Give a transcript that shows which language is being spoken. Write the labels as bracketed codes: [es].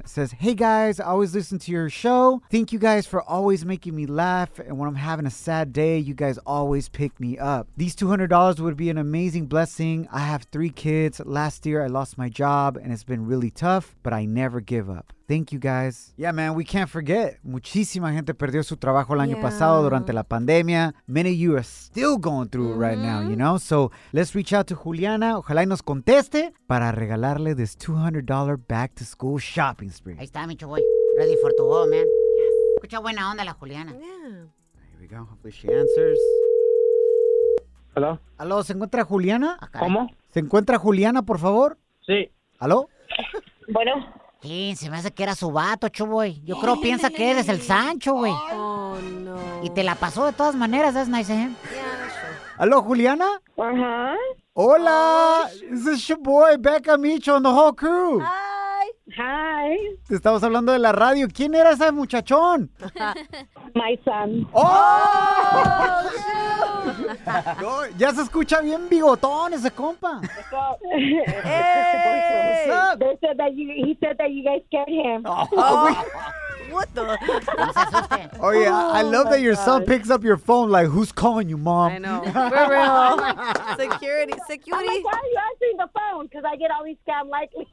[en] It says, hey, guys, I always listen to your show. Thank you guys for always making me laugh. And when I'm having a sad day, you guys always pick me up. These $200 would be an amazing blessing. I have three kids. Last year, I lost my job and it's been really tough, but I never give up. Thank you, guys. Yeah, man, we can't forget. [es] Muchísima gente perdió su trabajo el año pasado durante la pandemia. [en] Many of you are still going through it right now, you know? So let's reach out to Juliana. [es] Ojalá y nos conteste para regalarle [en] this $200 back-to-school shopping spree. [es] Ahí está, mi chavoy. [en] Ready for to go, man. Yeah. [es] Escucha buena onda la Juliana. [en] Yeah. Here we go. Hopefully she answers. Hello? Hello, [es] ¿se encuentra Juliana? ¿Cómo? ¿Se encuentra Juliana, por favor? Sí. ¿Aló? Bueno. Sí, se me hace que era su vato, chuboy. Yo creo piensa que eres el Sancho, güey. [en] Oh, no. [es] Y te la pasó de todas maneras, [en] that's nice, eh. Yeah. [es] ¿Aló, Juliana? Ajá. [en] Uh-huh. [es] Hola. [en] Oh, this is your boy, Becca Micho and the whole crew. Hi. Hi. [es] Te estamos hablando de la radio. ¿Quién era ese muchachón? [en] My son. ¡Oh! [es] No, ya se escucha bien bigotón ese compa. [en] What's up? They said that he said that you guys get him. What the? Oh yeah, I love that your son picks up your phone like, who's calling you, mom? I know. For real. Security. Oh my God, you're answering the phone because I get all these scam likely.